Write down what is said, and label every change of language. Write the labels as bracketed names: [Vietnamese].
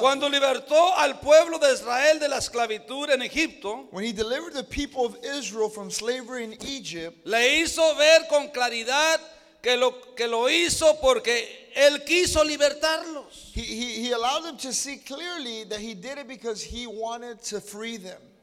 [Spanish] Cuando libertó al pueblo de Israel de la esclavitud en Egipto, [English] when he delivered the people of Israel from slavery in Egypt, [Spanish] le hizo ver con claridad que lo hizo porque él quiso libertarlos. [English] He allowed them to see clearly that he did it because he wanted to free them.